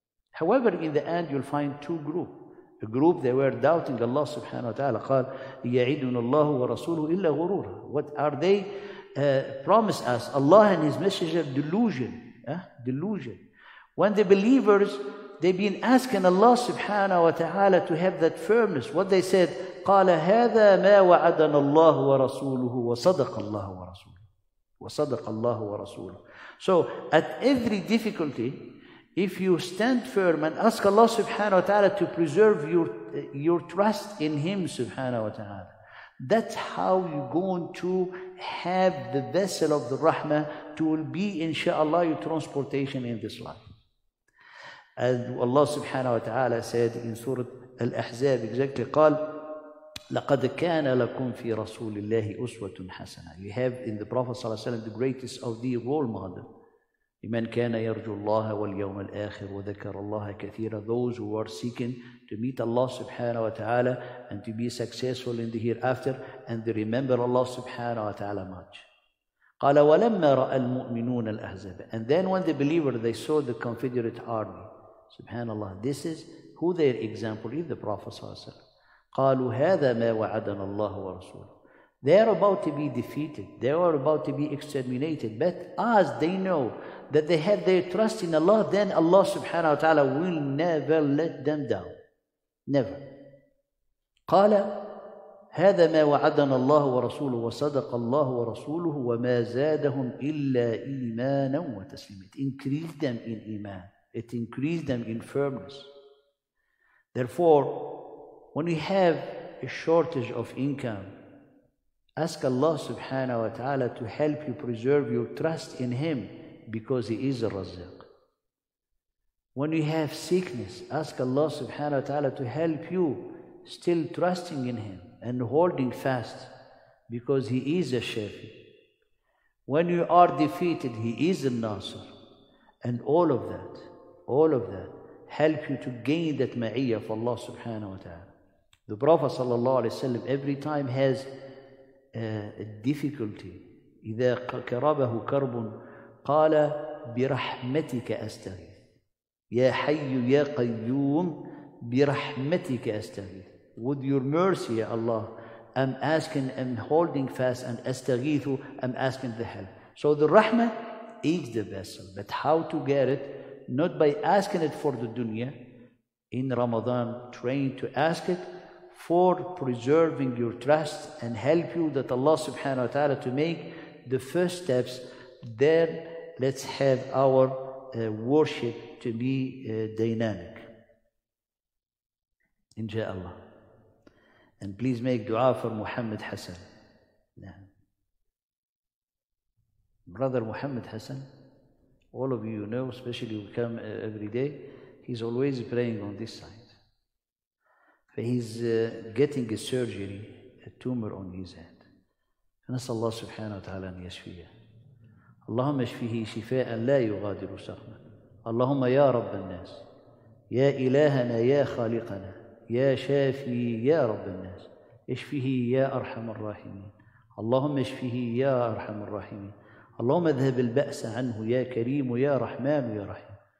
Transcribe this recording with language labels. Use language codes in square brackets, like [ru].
[en] However, in the end, you'll find two groups. A group, they were doubting Allah subhanahu wa ta'ala. [ar] قال, يَعِدُنُ اللَّهُ وَرَسُولُهُ إِلَّا غُرُورًا. [en] What are they promise us? Allah and His Messenger, delusion. Delusion. When the believers they've been asking Allah subhanahu wa ta'ala to have that firmness. What they said, [ar] قَالَ هَذَا مَا وَعَدَنَ اللَّهُ وَرَسُولُهُ وَصَدَقَ اللَّهُ وَرَسُولُهُ وَصَدَقَ اللَّهُ وَرَسُولُهُ. [en] So at every difficulty, if you stand firm and ask Allah subhanahu wa ta'ala to preserve your trust in Him subhanahu wa ta'ala, that's how you're going to have the vessel of the rahmah to be, inshallah, your transportation in this life. And Allah subhanahu wa ta'ala said in Surah Al-Ahzab exactly, [ar] قال لقد كان لكم في رسول الله أسوة حسنة. [en] You have in the Prophet sallallahu alayhi wa sallam the greatest of the role model. [ar] لمن كان يرجو الله واليوم الآخر وذكر الله كثيرا. [en] Those who are seeking to meet Allah subhanahu wa ta'ala and to be successful in the hereafter and they remember Allah subhanahu wa ta'ala much. [ar] قال ولما رأى المؤمنون الأحزاب. [en] And then when the believer, they saw the Confederate army. Subhanallah, this is who their example is, the Prophet sallallahu alayhi wa sallam. [ar] قالوا هذا ما وعدنا الله ورسوله. [en] They are about to be defeated. They are about to be exterminated. But as they know that they have their trust in Allah, then Allah subhanahu wa ta'ala will never let them down. Never. [ar] قال هذا ما وعدنا الله ورسوله وصدق الله ورسوله وما زادهم إلا إيمانا وتسليما. [en] It increased them in iman. It increased them in firmness. Therefore, when you have a shortage of income, ask Allah subhanahu wa ta'ala to help you preserve your trust in Him because He is a Razzaq. When you have sickness, ask Allah subhanahu wa ta'ala to help you still trusting in Him and holding fast because He is a Shafi. When you are defeated, He is a Nasir. And all of that, help you to gain that ma'iyah of Allah subhanahu wa ta'ala. The Prophet sallallahu alayhi wa sallam every time has a difficulty. [ar] إذا كربه كرب قال برحمتك أستغيث. يا حي يا قيوم برحمتك أستغيث. [en] With your mercy, يا Allah, I'm asking, I'm holding fast and أستغيث, I'm asking the help. So the rahmah is the vessel. But how to get it? Not by asking it for the dunya. In Ramadan, train to ask it for preserving your trust and help you that Allah subhanahu wa ta'ala to make the first steps. Then let's have our worship to be dynamic. Inshallah. And please make dua for Muhammad Hassan. Yeah. Brother Muhammad Hassan, all of you know, especially who come every day, he's always praying on this side. He's getting a surgery, a tumor on his head. [ar] نسأل الله سبحانه وتعالى أن يشفيه. اللهم اشفيه شفاء لا يغادر سقما. اللهم يا رب الناس. يا إلهنا يا خالقنا. يا شافي يا رب الناس. اشفيه يا أرحم الراحمين. اللهم اشفيه يا أرحم الراحمين. اللهم اذهب البأس عنه يا كريم يا رحمن يا رحيم.